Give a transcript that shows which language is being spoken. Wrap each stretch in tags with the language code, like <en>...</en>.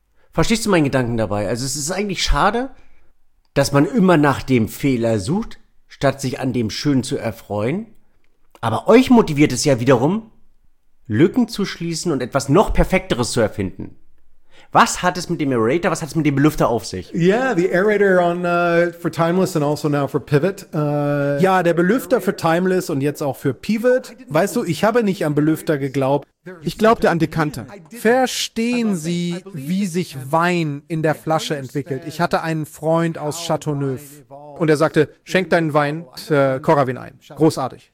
<de>Verstehst du meinen Gedanken dabei? Also es ist eigentlich schade, dass man immer nach dem Fehler sucht, statt sich an dem Schönen zu erfreuen. Aber euch motiviert es ja wiederum, Lücken zu schließen und etwas noch Perfekteres zu erfinden. Was hat es mit dem Aerator, was hat es mit dem Belüfter auf sich?</de> <en>Yeah, the aerator on for Timeless and also now for Pivot.</en> <de>Ja, der Belüfter für Timeless und jetzt auch für Pivot. Weißt du, ich habe nicht an Belüfter geglaubt. Ich glaubte an Dekanter. Verstehen Sie, wie sich Wein in der Flasche entwickelt? Ich hatte einen Freund aus Châteauneuf. Und er sagte, schenk deinen Wein Korowin ein. Großartig.</de>